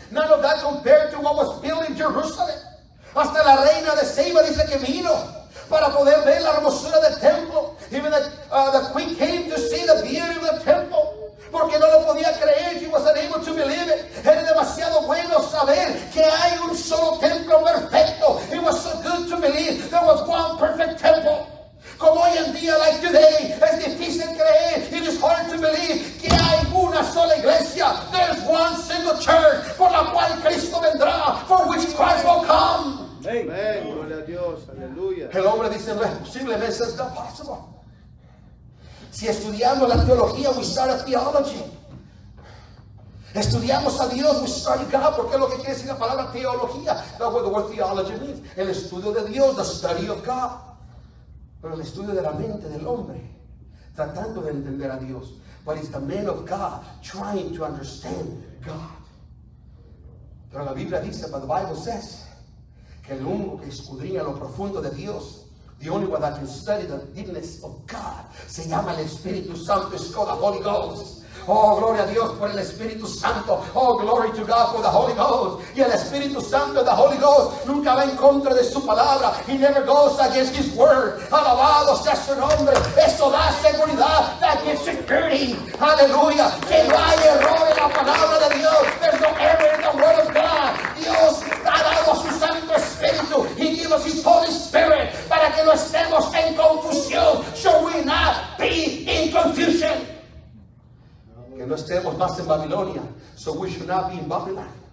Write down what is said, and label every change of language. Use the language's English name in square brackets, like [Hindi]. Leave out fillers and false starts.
[English] None of that compared to what was built in Jerusalem. [Spanish] Hasta la reina de Sheba dice que vino para poder ver la hermosura del templo. [English] Even the queen came to see the beauty of the temple. [Spanish] Porque no lo podía creer. [English] She was unable to believe it. [Spanish] Era demasiado bueno saber que hay un solo templo perfecto. [English] It was so good to believe there was one perfect temple. [Spanish] Como hoy en día, [English] like today, [Spanish] es difícil creer. [English] It is hard to believe [Spanish] que hay una sola iglesia. [English] There's one single church [Spanish] por la cual Cristo vendrá, [English] for which Christ will come. [Spanish] Amen. Gloria a Dios. Aleluya. El hombre dice, no es posible, no es posible. Si estudiamos la teología, [English] we start a theology. [Spanish] Estudiamos a Dios, [English] we study God. [Spanish] Porque es lo que quiere decir la palabra teología. [English] That's what the word theology means. [Spanish] El estudio de Dios, [English] the study of God. [Spanish] Pero el estudio de la mente del hombre, tratando de entender a Dios. [English] But it's the man of God trying to understand God. [Spanish] Pero la Biblia dice, [English] but the Bible says, [Spanish] que el único que escudriña lo profundo de Dios, [English] the only one that can study the deepness of God, [Spanish] se llama el Espíritu Santo, [English] it's called the Holy Ghost. [Spanish] Oh, gloria a Dios por el Espíritu Santo. [English] Oh, glory to God for the Holy Ghost. [Spanish] Y el Espíritu Santo, [English] the Holy Ghost, [Spanish] nunca va en contra de su palabra. [English] He never goes against his word. [Spanish] Alabado sea su nombre. Eso da seguridad. [English] That gives security. [Spanish] Aleluya. Que no hay error en la palabra de Dios. [English] There's no error in the word of God. [Spanish] Dios ha dado su Santo Espíritu. [English] He gives us his Holy Spirit. [Spanish] Para que no estemos en confusión. [English] Shall we not be in confusion? [Spanish] Que no estemos más en Babilonia. [English] So we should not be in Babylon.